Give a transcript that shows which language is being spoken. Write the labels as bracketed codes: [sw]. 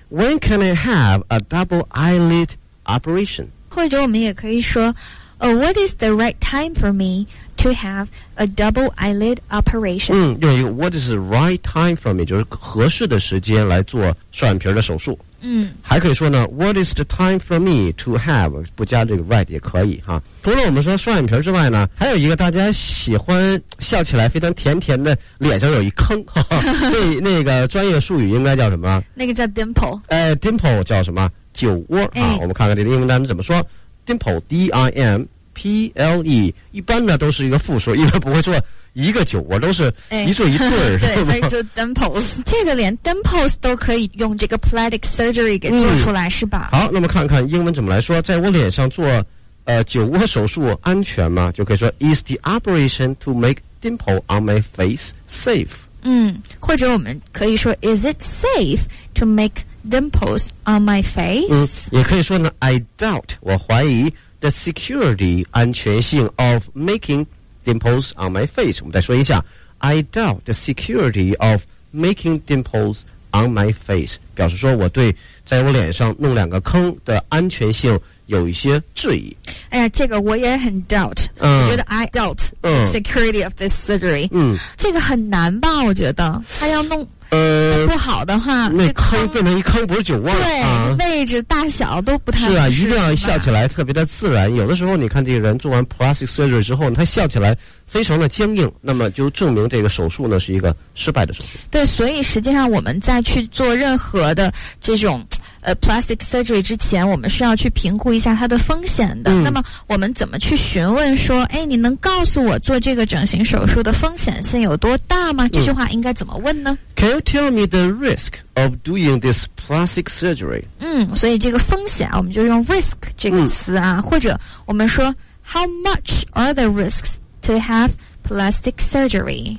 [en] When can I have a double eyelid operation? [zh] 或者我们也可以说 [en] what is the right time for me to have a double eyelid operation? [zh] 嗯，用一个 [en] what is the right time for me [zh] 就是合适的时间来做双眼皮的手术。嗯，还可以说呢 [en] What is the time for me to have [zh] 不加这个 right 也可以哈。除了我们说双眼皮之外呢，还有一个大家喜欢笑起来非常甜甜的脸上有一坑哈哈那个专业术语应该叫什么，那个叫 dimple、 dimple 叫什么，酒窝、哎、我们看看这个英文单词怎么说。 dimple D-I-M-P-L-E 一般呢都是一个复数，一般不会说一个酒窝，都是一座一对、哎、对，所以就 dimples 这个连 dimples 都可以用这个 plastic surgery 给做出来、嗯、是吧。好，那么看看英文怎么来说，在我脸上做酒窝手术安全吗，就可以说 [en] is the operation to make dimple on my face safe。 [zh] 嗯，或者我们可以说 [en] is it safe to make dimples on my face、 [zh] 嗯、也可以说呢 [en] I doubt [zh] 我怀疑 [en] the security [zh] 安全性 [en] of makingDimples on my face. [zh] 我们再说一下 [en] I doubt the security of making dimples on my face. [zh] 表示说我对在我脸上弄两个坑的安全性有一些质疑。哎呀，这个我也很 doubt、嗯、我觉得 [en] I doubt the security of this surgery、 [zh] 嗯、这个很难吧，我觉得他要弄不好的话，那坑变成一坑不是酒窝，对、啊、位置大小都不太是啊，一定要笑起来特别的自然。有的时候你看这个人做完 plastic surgery 之后，他笑起来非常的僵硬，那么就证明这个手术呢是一个失败的手术。对，所以实际上我们在去做任何的这种plastic surgery 之前，我们需要去评估一下它的风险的、嗯、那么我们怎么去询问说，哎，你能告诉我做这个整形手术的风险性有多大吗、嗯、这句话应该怎么问呢？ [en] Can you tell me the risk of doing this plastic surgery? [zh] 嗯，所以这个风险我们就用 risk 这个词啊、嗯、或者我们说 [en] How much are the risks to have plastic surgery?